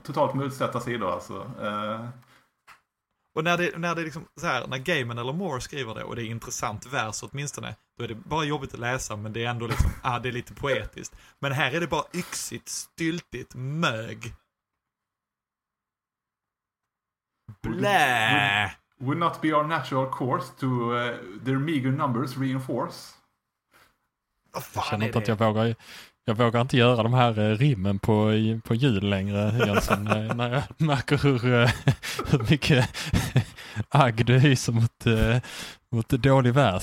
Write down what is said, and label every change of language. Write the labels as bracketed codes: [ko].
[sv] totalt motsatta sidor, alltså. Och när det liksom så här, när Gaiman eller Moore skriver det och det är intressant vers åtminstone, då är det bara jobbigt att läsa, men det är ändå liksom, det är lite poetiskt. Men här är det bara yxigt, styltigt, mög. Blä! [en] Would not be our natural course to their meager numbers reinforce. [sv] Vad fan, jag känner inte att jag vågar inte göra de här rimmen på jul längre, Jensen, när jag märker hur mycket agg du hyser mot dålig vers.